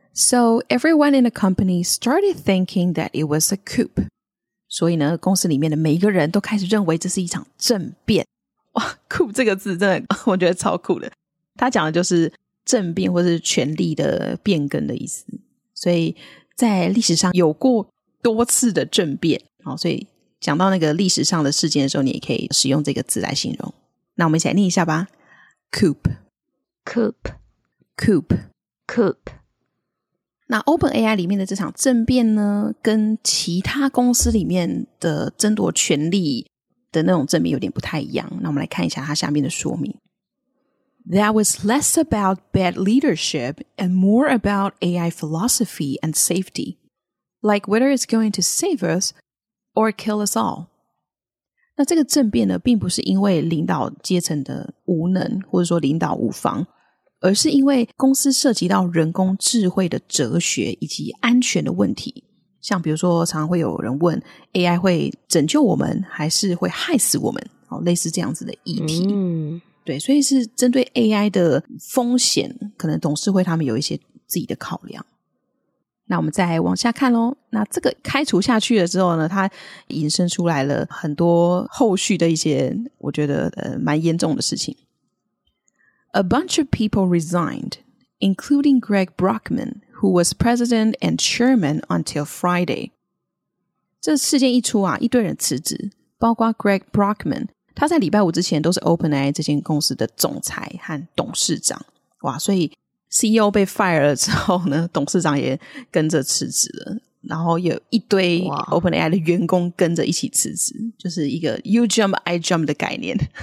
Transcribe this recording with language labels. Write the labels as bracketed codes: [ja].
[en] So everyone in the company started thinking that it was a coup. [zh] 所以呢，公司里面的每一个人都开始认为这是一场政变。哇 ，coup 这个字真的，我觉得超酷的。他讲的就是政变或是权力的变更的意思。所以在历史上有过多次的政变。好，所以讲到那个历史上的事件的时候，你也可以使用这个字来形容。那我们一起来念一下吧 ：coup, [en] coup, coup, coup。 [zh] 那 OpenAI 里面的这场政变呢，跟其他公司里面的争夺权力的那种政变有点不太一样。那我们来看一下它下面的说明。 [en] That was less about bad leadership and more about AI philosophy and safety, like whether it's going to save us or kill us all. [zh] 那这个政变呢，并不是因为领导阶层的无能或者说领导无方，而是因为公司涉及到人工智慧的哲学以及安全的问题。像比如说常常会有人问 AI 会拯救我们还是会害死我们，好，类似这样子的议题。对，所以是针对 AI 的风险，可能董事会他们有一些自己的考量。那我们再往下看咯。那这个开除下去了之后呢，它引申出来了很多后续的一些我觉得蛮严重的事情。 [en] A bunch of people resigned, including Greg Brockman, who was president and chairman until Friday. [zh] 这事件一出啊，一堆人辞职，包括 [en] Greg Brockman, [zh] 他在礼拜五之前都是 OpenAI 这间公司的总裁和董事长。哇，所以 CEO 被 fire 了之后呢，董事长也跟着辞职了，然后有一堆 OpenAI 的员工跟着一起辞职，就是一个 [en] You jump, I jump [zh] 的概念。